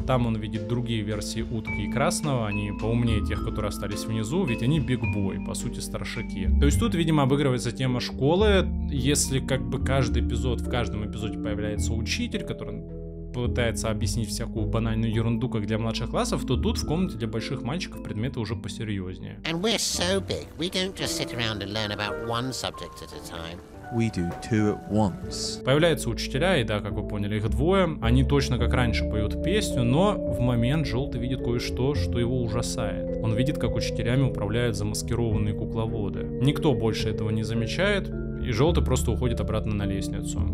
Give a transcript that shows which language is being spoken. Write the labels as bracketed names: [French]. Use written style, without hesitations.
[Russian] Там он видит другие версии утки и красного. Они поумнее тех, которые остались внизу, ведь они бигбой, по сути, старшаки. То есть тут, видимо, обыгрывается тема школы. Если как бы каждый эпизод, в каждом эпизоде появляется учитель, который пытается объяснить всякую банальную ерунду, как для младших классов, то тут в комнате для больших мальчиков предметы уже посерьезнее. [English] And we're so big, we don't just sit around and learn about one subject at a time. We do two at once. [Russian] Появляются учителя, и да, как вы поняли, их двое. Они точно как раньше поют песню, но в момент желтый видит кое-что, что его ужасает. Он видит, как учителями управляют замаскированные кукловоды. Никто больше этого не замечает. И желтый просто уходит обратно на лестницу.